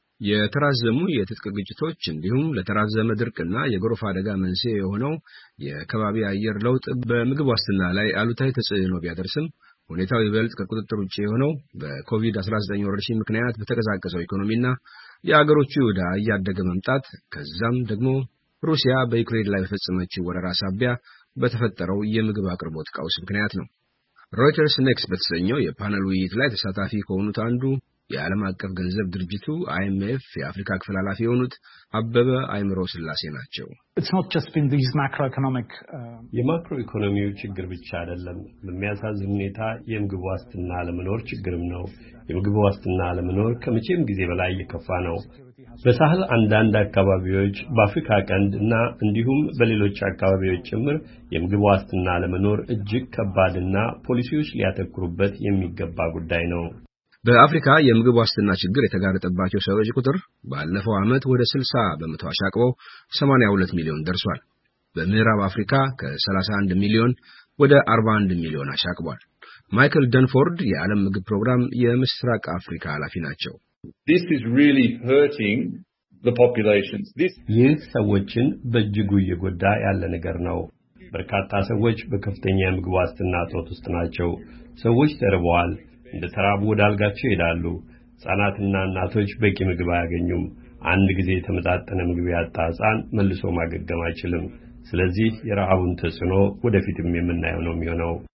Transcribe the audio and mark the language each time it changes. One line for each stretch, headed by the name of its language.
Amharic: የተራዘሙ የትጥቅ ግጭቶች እንዲሁም ለተራዘመ ድርቅና የጎርፍ አደጋ መንስኤ የሆነው የአከባቢ አየር ለውጥ በምግብ ዋስትና ላይ አሉታዊ ተጽዕኖ ቢያደርስም ሁኔታው ይበልጥ ከቁጥጥር ውጪ የሆነው በኮቪድ-19 ወረርሽኝ ምክንያት በተቀዛቀዘው ኢኮኖሚና የአገሮቹ ዕዳ እያደገ መምጣት ከዛም ደግሞ ሩሲያ በዩክሬን ላይ በፈጸመችው ወረራ ሳቢያ በተፈጠረው የምግብ አቅርቦት ቀውስ ምክንያት ነው። ሮይተርስ ኔክስት በተሰኘው የፓነል ውይይት ላይ ተሳታፊ ከሆኑት አንዱ የዓለም አቀፍ ገንዘብ ድርጅቱ IMF የአፍሪካ ክፍል ኃላፊ የሆኑት አበበ አይምሮ ስላሴ ናቸው።
English: It's not just been these macroeconomic
Amharic: የማክሮ ኢኮኖሚው ችግር ብቻ አይደለም። በሚያሳዝን ሁኔታ የምግብ ዋስትና ለመኖር ችግርም ነው። የምግብ ዋስትና ለመኖር ከመቼም ጊዜ በላይ የከፋ ነው። በሳህል አንዳንድ አካባቢዎች በአፍሪካ ቀንድ እና እንዲሁም በሌሎች አካባቢዎች ጭምር የምግብ ዋስትና ለመኖር እጅግ ከባድና ፖሊሲዎች ሊያተኩሩበት የሚገባ ጉዳይ ነው። በአፍሪካ የምግብ ዋስትና ችግር የተጋረጠባቸው ሰዎች ቁጥር ባለፈው ዓመት ወደ 60% አሻቅቦ 82 ሚሊዮን ደርሷል። በምዕራብ አፍሪካ ከ31 ሚሊዮን ወደ 41 ሚሊዮን አሻቅቧል። ማይክል ደንፎርድ የዓለም ምግብ ፕሮግራም የምስራቅ አፍሪካ ኃላፊ ናቸው።
English: This is really hurting the populations. This
Amharic: ይህ ሰዎችን በእጅጉ እየጎዳ ያለ ነገር ነው። በርካታ ሰዎች በከፍተኛ ምግብ ዋስትና እጦት ውስጥ ናቸው። ሰዎች ተርበዋል፣ እንደተራቡ ወደ አልጋቸው ይሄዳሉ። ህጻናትና እናቶች በቂ ምግብ አያገኙም። አንድ ጊዜ የተመጣጠነ ምግብ ያጣ ህጻን መልሶ ማገገም አይችልም። ስለዚህ የረሃቡን ተጽዕኖ ወደፊትም የምናየው ነው የሚሆነው።